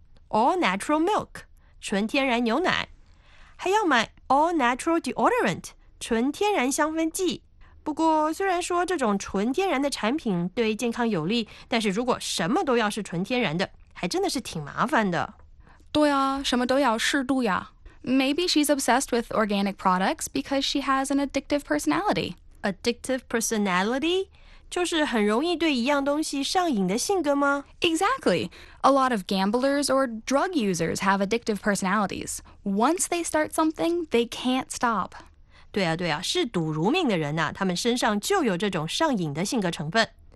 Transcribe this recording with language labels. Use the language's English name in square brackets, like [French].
[English] All natural milk, [Chinese] 纯天然牛奶，还要买 [English] all natural deodorant, [Chinese] 纯天然香氛剂。不过虽然说这种纯天然的产品对健康有利，但是如果什么都要是纯天然的，还真的是挺麻烦的。对啊，什么都要适度呀。 [English] Maybe she's obsessed with organic products because she has an addictive personality. Addictive personality? [Chinese] 就是很容易对一样东西上瘾的性格吗？ [English] Exactly. A lot of gamblers or drug users have addictive personalities. Once they start something, they can't stop. [Chinese] 对啊对啊，嗜赌如命的人啊，他们身上就有这种上瘾的性格成分。